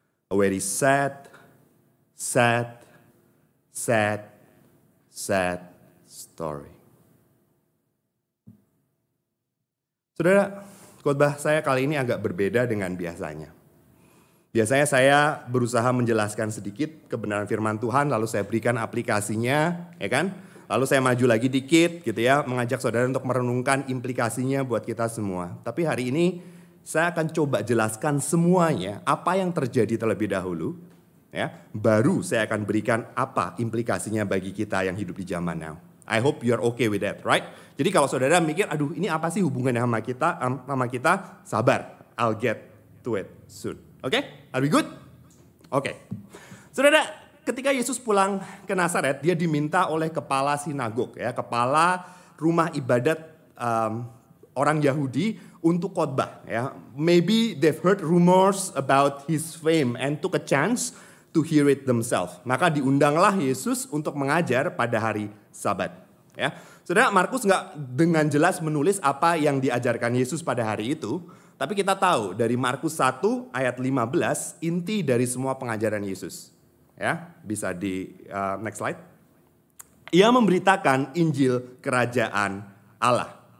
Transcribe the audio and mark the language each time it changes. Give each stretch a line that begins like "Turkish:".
English: A very sad, sad, sad, sad story.
Indonesian: Saudara, khotbah saya kali ini agak berbeda dengan biasanya. Biasanya saya berusaha menjelaskan sedikit kebenaran firman Tuhan, lalu saya berikan aplikasinya, ya kan? Lalu saya maju lagi dikit gitu ya, mengajak saudara untuk merenungkan implikasinya buat kita semua. Tapi hari ini saya akan coba jelaskan semuanya, apa yang terjadi terlebih dahulu, ya, baru saya akan berikan apa implikasinya bagi kita yang hidup di zaman now.
English: I hope you're okay with that, right?
Indonesian: Jadi kalau saudara mikir, aduh ini apa sih hubungannya sama kita, sabar,
English: I'll get to it soon.
Indonesian: Oke, okay?
English: Are we good?
Indonesian: Oke. Okay. Saudara, ketika Yesus pulang ke Nazaret, dia diminta oleh kepala sinagog, ya, kepala rumah ibadat orang Yahudi untuk khotbah, ya.
English: Maybe they've heard rumors about his fame and took a chance to hear it themselves.
Indonesian: Maka diundanglah Yesus untuk mengajar pada hari Sabat, ya. Saudara, Markus enggak dengan jelas menulis apa yang diajarkan Yesus pada hari itu. Tapi kita tahu dari Markus 1 ayat 15 inti dari semua pengajaran Yesus. Ya, bisa di next slide. Ia memberitakan Injil kerajaan Allah.